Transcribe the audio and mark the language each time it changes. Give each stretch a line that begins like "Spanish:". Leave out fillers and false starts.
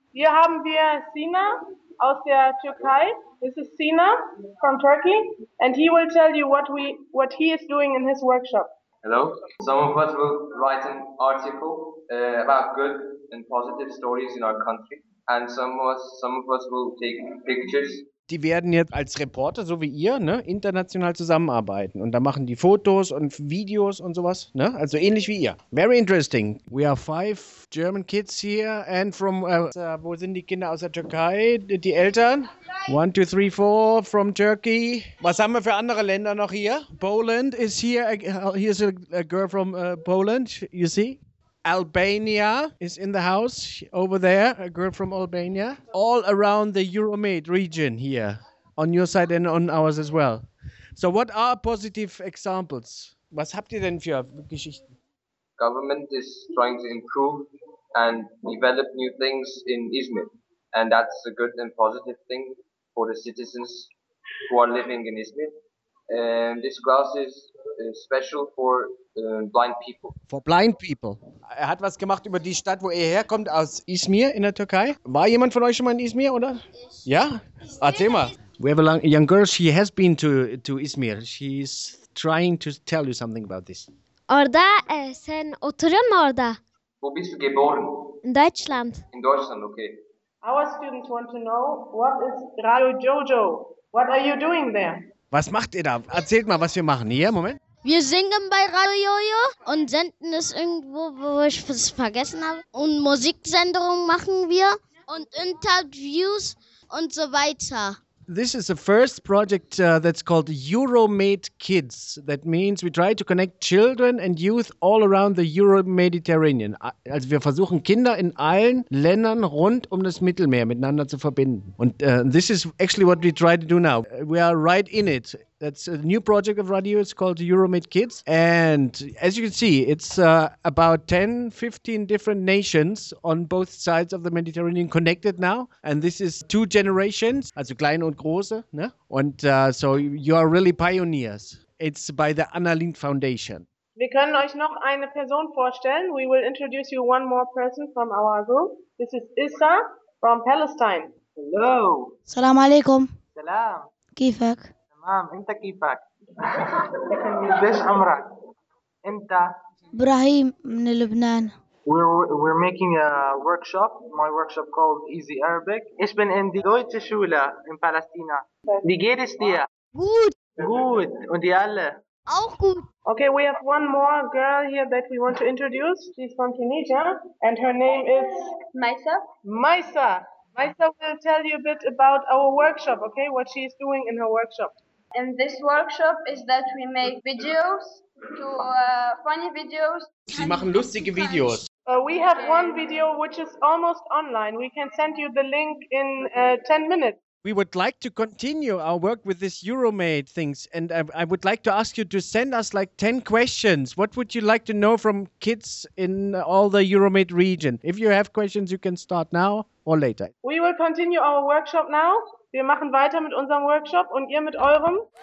German: Hier haben wir Sina aus der Türkei.
English: This is Sina from Turkey, and he will tell you what he is doing in his workshop. Hello. Some of us will write an article about good and positive stories in our country, and some of us will take pictures.
German: Die werden jetzt als Reporter, so wie ihr, ne, international zusammenarbeiten. Und da machen die Fotos und Videos und sowas, ne? Also ähnlich wie ihr.
English: Very interesting. We are 5 German kids here and from,
German: wo sind die Kinder aus der Türkei? Die Eltern?
English: 1, 2, 3, 4 from Turkey.
German: Was haben wir für andere Länder noch hier?
English: Poland is here. Here's a girl from Poland, you see? Albania is in the house over there, a girl from Albania. All around the Euromed region here, on your side and on ours as well. So what are positive examples?
German: Was habt ihr denn für Geschichten?
English: Government is trying to improve and develop new things in Izmir. And that's a good and positive thing for the citizens who are living in Izmir. And this class is special for blind people. For blind people.
German: Er hat was gemacht über die Stadt, wo er herkommt, aus Izmir in der Türkei. War jemand von euch schon mal in Izmir, oder? Ich. Ja? Erzähl mal.
English: We have a young girl, she has been to Izmir. She's trying to tell you something about this.
Turkish: Orda, sen oturuyor mu orda?
German: Wo bist du geboren? In Deutschland. In Deutschland, okay.
English: Our students want to know, what is Radio Jojo? What are you doing there?
German: Was macht ihr da? Erzählt mal, was wir machen. Hier, Moment. Wir singen bei Radio Jojo und senden es irgendwo, wo ich es vergessen habe. Und Musiksendungen machen wir und Interviews und so weiter.
English: This is the first project that's called Euromed Kids. That means we try to connect children and youth all around the Euro-Mediterranean.
German: Also wir versuchen Kinder in allen Ländern rund um das Mittelmeer miteinander zu verbinden.
English: Und this is actually what we try to do now. We are right in it. That's a new project of Radio. It's called Euromed Kids. And as you can see, it's about 10, 15 different nations on both sides of the Mediterranean connected now. And this is 2 generations,
German: also kleine und große. Ne?
English: And so you are really pioneers. It's by the Annalind Foundation.
German: Wir können euch noch eine Person vorstellen.
English: We will introduce you one more person from our group. This is Issa from Palestine. Hello.
Arabic: Salam alaikum. Salam. Kifak. Mom, انت كيفك؟ ليش عمرك؟ انت ابراهيم من لبنان.
English: We're making a workshop, my workshop called Easy Arabic.
German: Ich bin in die deutsche Schule in Palästina. Wie geht es dir? Gut. Gut. Und ihr alle? Auch gut.
English: Okay, we have one more girl here that we want to introduce. She's from Tunisia and her name is Maisa. Maisa. Maisa will tell you a bit about our workshop, okay? What she is doing in her workshop. And this workshop is that we make videos, to funny videos.
German: Sie machen lustige Videos.
English: We have one video which is almost online. We can send you the link in 10 minutes. We would like to continue our work with this Euromed things. And I would like to ask you to send us like 10 questions. What would you like to know from kids in all the Euromed region? If you have questions, you can start now or later. We will continue our workshop now.
German: Wir machen weiter mit unserem Workshop und ihr mit eurem.